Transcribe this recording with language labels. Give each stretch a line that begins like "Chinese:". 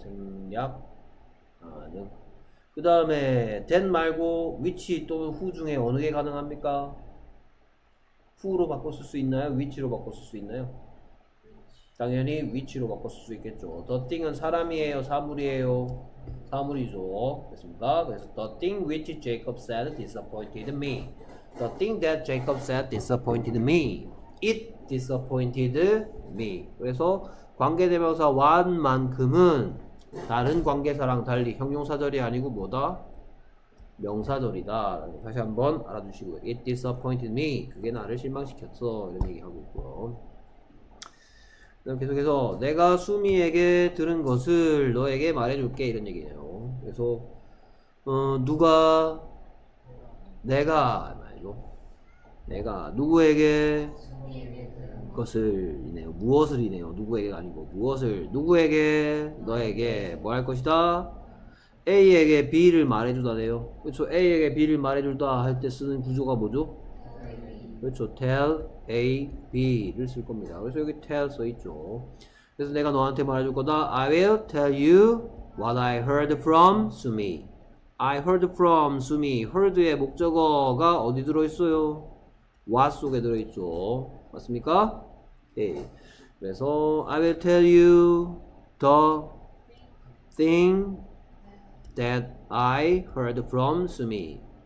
Korean: 생략 가능. 그 다음에 that 말고 which 또는 who 중에 어느 게 가능합니까? who로 바꿨을 수 있나요? which로 바꿨을 수 있나요? 당연히 위치로 바꿨을 수 있겠죠. The thing은 사람이에요? 사물이에요? 사물이죠. 됐습니까?
English: 그래서 The thing which Jacob said disappointed me. The thing that Jacob said disappointed me. It disappointed me.
Korean: 그래서 관계대명사 one만큼은 다른 관계사랑 달리 형용사절이 아니고 뭐다? 명사절이다. 다시 한번 알아두시고요.
English: It disappointed me.
Korean: 그게 나를 실망시켰어. 이런 얘기하고 있고요. 그럼 계속해서 내가 수미에게 들은 것을 너에게 말해줄게 이런 얘기네요. 그래서 누가 내가 말이죠. 내가 누구에게 것을이네요. 무엇을이네요. 누구에게가 아니고 무엇을 누구에게 너에게 뭐 할 것이다. A에게 B를 말해주다네요. 그렇죠. A에게 B를 말해줄다 할 때 쓰는 구조가 뭐죠? 그렇죠. Tell A, B를 쓸 겁니다. 그래서 여기 tell 써있죠. 그래서 내가 너한테 말해줄 거다.
English: I will tell you what I heard from Sumi. I heard from Sumi.
Korean: Heard의 목적어가 어디 들어있어요? What 속에 들어있죠. 맞습니까? 예.
English: 그래서 I will tell you the thing that I heard from Sumi.